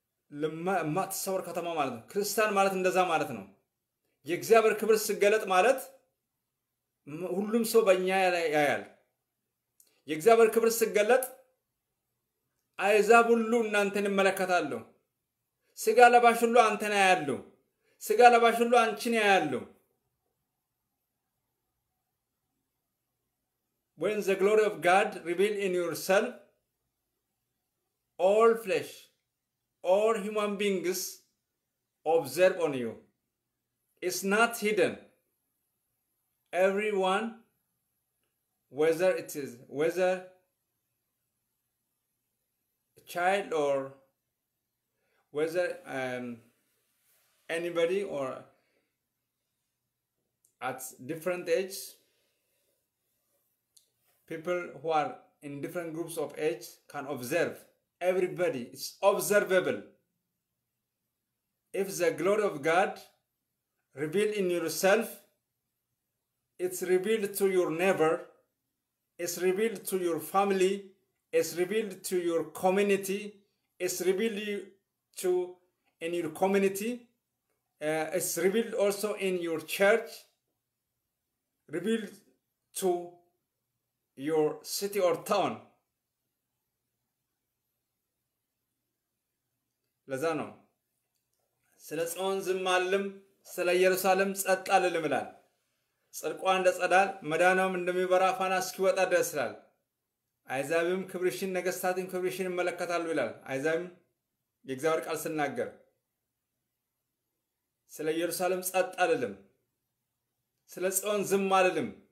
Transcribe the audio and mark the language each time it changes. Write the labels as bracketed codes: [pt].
[am] ለማትሰወር ከተማ ማለት ነው። ክርስቲያን ማለት እንደዛ ማለት ነው። የእግዚአብሔር ክብር ሲገለጥ ማለት ሁሉም ሰው በእኛ ያያል። የእግዚአብሔር ክብር ሲገለጥ አይዛብ ሁሉ እናንተን ይመለከታሉ። ስጋ ለባሽ ሁሉ አንተን ያያሉ። ስጋ ለባሽ ሁሉ አንቺን ያያሉ። [en] When the glory of God revealed in your soul, all flesh, all human beings observe on you. It's not hidden. Everyone, whether a child or whether anybody or at different age, people who are in different groups of age can observe. Everybody, it's observable. If the glory of God revealed in yourself, it's revealed to your neighbor, it's revealed to your family, it's revealed to your community, it's revealed to in your community, it's revealed also in your church, revealed to your city or town. [am] ለዛ ነው ስለ ጽዮን ዝም አልልም ስለ ኢየሩሳሌም ጸጥ አልልም ይላል። ጽድቋ እንደ ጸዳል መዳናውም እንደሚበራ ፋና እስኪወጣ ድረስ ይላል። አይዛብም ክብርሽን ነገስታትም ክብርሽን ይመለከታሉ ይላል። አይዛብም የእግዚአብሔር ቃል ሲናገር ስለ ኢየሩሳሌም ጸጥ አልልም ስለ ጽዮን ዝም አልልም።